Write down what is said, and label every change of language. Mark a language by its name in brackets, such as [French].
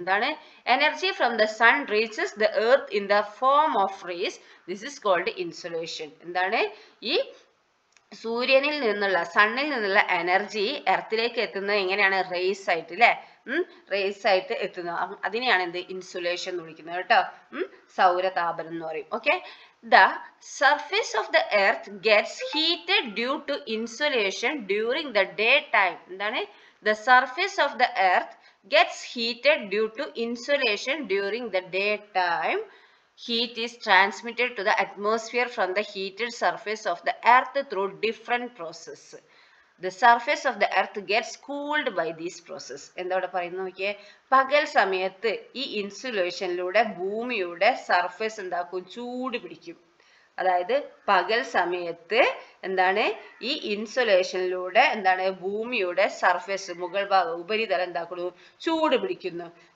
[Malayalam] എന്താണ് [English] Energy from the sun reaches the earth in the form of rays, this is called insulation. [Malayalam] എന്താണ് ഈ സൂര്യനിൽ നിന്നുള്ള സണ്ണിൽ നിന്നുള്ള എനർജി എർത്തിലേക്ക് എത്തുന്നത് എങ്ങനെയാണ്, റേസ് ആയിട്ട് അല്ലെ, റേസ് ആയിട്ട് എത്തുന്നത്. അതിനെയാണ് എന്ത് ഇൻസുലേഷൻ എന്ന് വിളിക്കുന്നത് കേട്ടോ, സൗരതാപനം എന്ന് പറയും. Okay, [English] The surface of the earth gets heated due to insolation during the daytime. The surface of the earth gets heated due to insolation during the daytime. Heat is transmitted to the atmosphere from the heated surface of the earth through different processes. The surface of the earth gets cooled by this process. [Malayalam] എന്താണ് പറയുന്നത് നോക്കിയേ, പകൽ സമയത്ത് ഈ ഇൻസുലേഷനിലൂടെ ഭൂമിയുടെ surface എന്താക്കും, ചൂട് പിടിക്കും. അതായത് പകൽ സമയത്ത് എന്താണ് ഈ ഇൻസുലേഷനിലൂടെ എന്താണ് ഭൂമിയുടെ സർഫേസ് മുകൾ ഭാഗം ഉപരിതലം എന്താക്കുന്നു, ചൂട് പിടിക്കുന്നു.